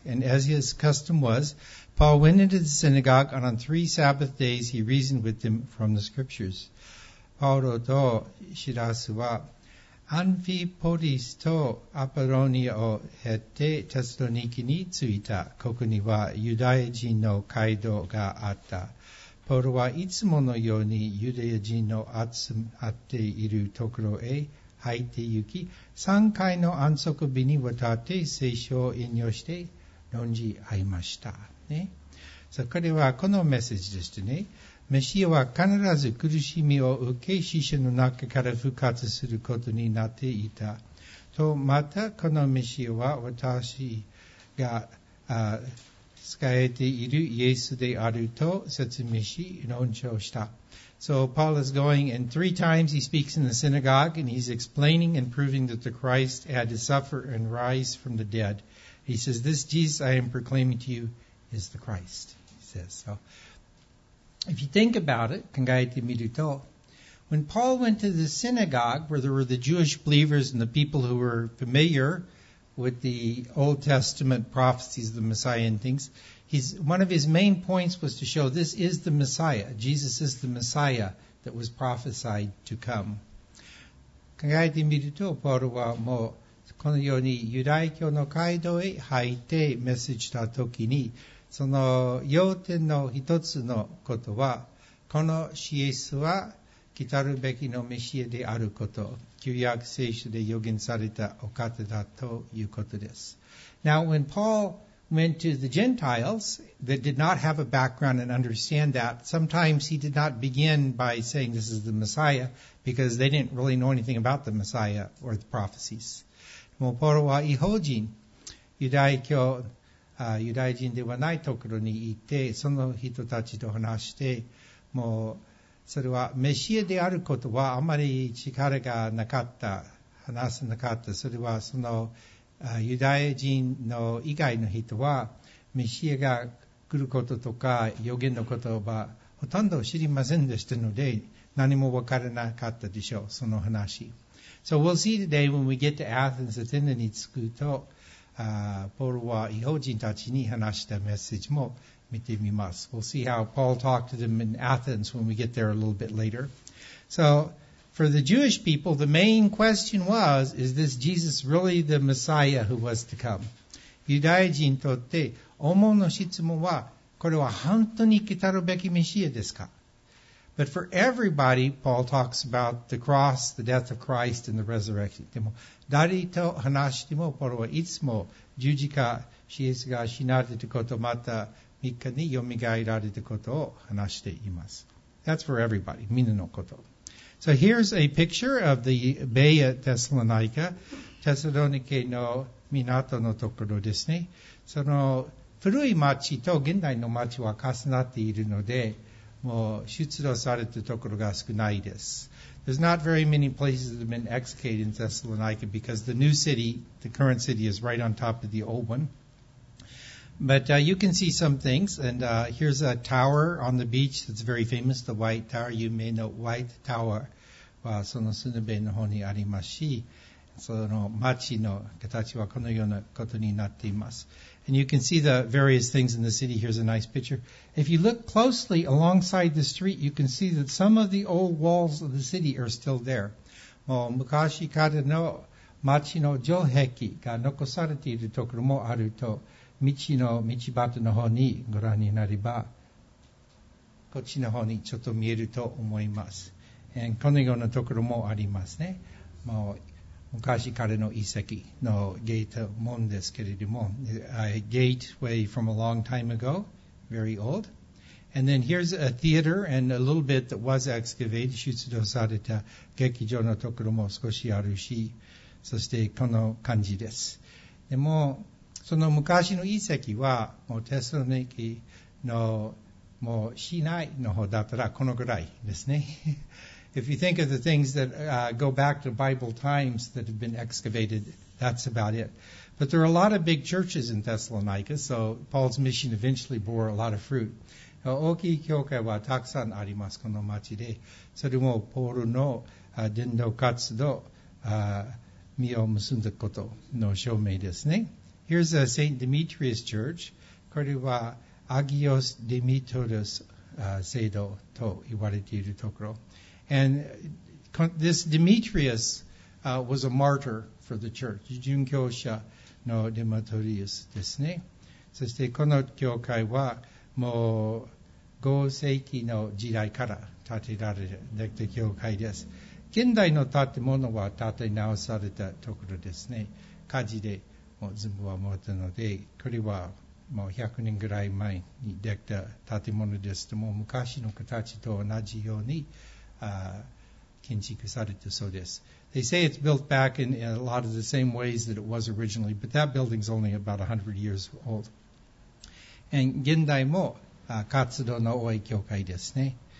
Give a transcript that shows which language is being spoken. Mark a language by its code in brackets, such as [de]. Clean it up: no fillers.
[en] And as his custom was, Paul went into the synagogue, and on three Sabbath days he reasoned with them from the scriptures. [ja] Paul とシラスはアンフィポリスとアポロニアを経てテサロニキに着いた。ここにはユダヤ人の街道があった。ポールはいつものようにユダヤ人の集まっているところへ入って行き、3回の安息日にわたって聖書を引用して論じ合いました。ね。そこではこのメッセージでしたね。メシアは必ず苦しみを受け、死者の中から復活することになっていた。と、またこのメシアは私が使えているイエスであると説明し、論調した。 [en] So Paul is going, and three times he speaks in the synagogue, and he's explaining and proving that the Christ had to suffer and rise from the dead. He says, this Jesus I am proclaiming to you is the Christ. He says so. If you think about it, [ja] 考えてみると, [en] when Paul went to the synagogue where there were the Jewish believers and the people who were familiar with the Old Testament prophecies of the Messiah and things, one of his main points was to show this is the Messiah. Jesus is the Messiah that was prophesied to come. [ja] 考えてみると, ポールはもうこのようにユダヤ教の街道へ入ってメッセージした時に、その要点の一つのことは、このイエスは来たるべきのメシアであること、旧約聖書で予言されたお方だということです。 [en] Now when Paul went to the Gentiles that did not have a background and understand that, sometimes he did not begin by saying this is the Messiah because they didn't really know anything about the Messiah or the prophecies. [ja] もうポールは異邦人、ユダヤ教ユダヤ人ではないところに行って、その人たちと話して、もうそれはメシアであることはあまり力がなかった、話せなかった。それはそのユダヤ人の以外の人はメシアが来ることとか予言の言葉ほとんど知りませんでしたので、何も分からなかったでしょう、その話。 [en] So we'll see today when we get to Athens, Athens [ja] に着くと、ポールは異邦人たちに話したメッセージも見てみます。 [en] We'll see how Paul talked to them in Athens when we get there a little bit later. So, for the Jewish people, the main question was, is this Jesus really the Messiah who was to come? [ja] ユダヤ人にとって、主の質問は、これは本当に来たるべきメシアですか? [en] But for everybody, Paul talks about the cross, the death of Christ, and the resurrection. [ja] でも誰と話しても、ポールはいつも十字架、イエスが死なれたこと、また3日によみがえられたことを話しています。 [en] That's for everybody, [ja] みんなのこと。 [en] So here's a picture of the Bay of Thessalonica, [ja] テサロニケの港のところですね。その古い町と現代の町は重なっているので、もう出土されたところが少ないです。 [en] There's not very many places that have been excavated in Thessalonica because the new city, the current city, is right on top of the old one. But you can see some things, and here's a tower on the beach that's very famous, the White Tower. You may know [ja] White Tower はそのスヌベの方にありますし、その町の形はこのようなことになっています。 [en] And you can see the various things in the city. Here's a nice picture. If you look closely alongside the street, you can see that some of the old walls of the city are still there. [ja] もう昔からの町の城壁が残されているところもあると、道端の方にご覧になれば、こっちの方にちょっと見えると思います。 And このようなところもありますね。もう昔からの遺跡のゲート門ですけれども、 [en] a gateway from a long time ago, very old. And then here's a theater and a little bit that was excavated, [ja] 出土された劇場のところも少しあるし、そしてこの感じです。でも、その昔の遺跡は、もうテスロニキのもう市内の方だったらこのぐらいですね。 [en] If you think of the things that go back to Bible times that have been excavated, that's about it. But there are a lot of big churches in Thessalonica, so Paul's mission eventually bore a lot of fruit. [ja] 大きい教会はたくさんあります、この町で。それもポールの伝道活動、実を結んだことの証明ですね。 [en] Here's a St. Demetrius Church. [ja] これはアギオス・デミトロス聖堂と言われているところ。 And this Demetrius was a martyr for the church. 殉教者のデマトリウスですね。そしてこの教会はもう5世紀の時代から建てられてきた教会です。現代の建物は建て直されたところですね。火事でもう全部は燃えたので、これはもう100年ぐらい前にできた建物です。でも昔の形と同じように建築されてそうです。 [en] They say it's built back in a lot of the same ways that it was originally, but that building's only about 100 years old. [ja] And 現代も活動の多い教会ですね。